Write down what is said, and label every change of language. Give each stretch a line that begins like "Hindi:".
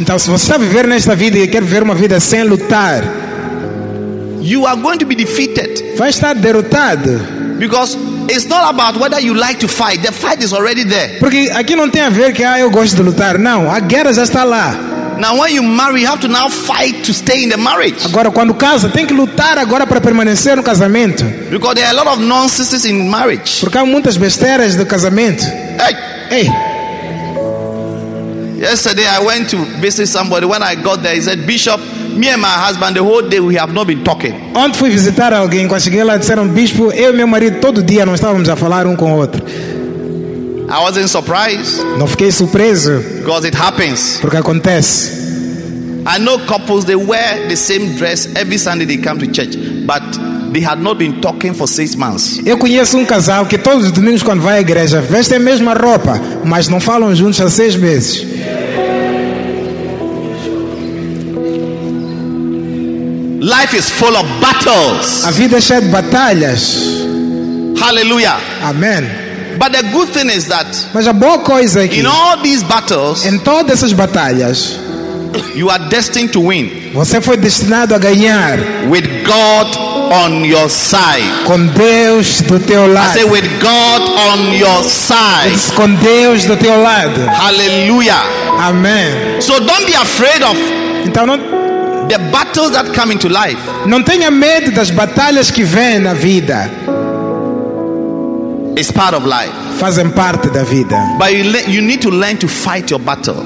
Portuguese: Então se você está viver nesta vida e quer viver uma vida sem lutar,
English: you are going to be defeated.
Portuguese: Vai estar derrotado.
English: Because it's not about whether you like to fight. The fight is already there.
Portuguese: Porque aqui não tem a ver que eu gosto de lutar. Não, a guerra já está lá.
English: Now when you marry, you have to now fight to stay in the marriage.
Portuguese: Agora quando casa, tem que lutar agora para permanecer no casamento.
English: Because there are a lot of nonsense in marriage.
Portuguese: Porque há muitas besteiras no casamento.
English: Hey, hey. Yesterday I went to visit somebody. When I got there, he said, "Bishop, me and my husband, the whole day we have not been talking."
Portuguese: Ontem fui visitar alguém, quando cheguei lá disseram, "Bispo, eu e meu marido todo dia não estávamos a falar com o outro."
English: I wasn't surprised.
Portuguese: Não fiquei surpreso.
English: Because it happens.
Portuguese: Porque acontece.
English: I know couples, they wear the same dress every Sunday they come to church, but they had not been talking for 6 months.
Portuguese: Eu conheço casal que todos os domingos quando vai à igreja veste a mesma roupa, mas não falam juntos há 6 meses.
English: Life is full of battles.
Portuguese: A vida é cheia de batalhas.
English: Hallelujah. Amen. But the good thing is that.
Portuguese: Mas a boa coisa é que.
English: In all these battles.
Portuguese: Em todas essas batalhas.
English: You are destined to win.
Portuguese: Você foi destinado a ganhar.
English: With God on your side.
Portuguese: Com Deus do teu lado.
English: I say with God on your side.
Portuguese: Com Deus do teu lado.
English: Hallelujah. Amen. So don't be afraid of.
Portuguese: Então não.
English: The battles that come into life.
Portuguese: Não tenha medo das batalhas que vêm na vida.
English: It's part of life.
Portuguese: Fazem parte da vida.
English: But you need to learn to fight your battles.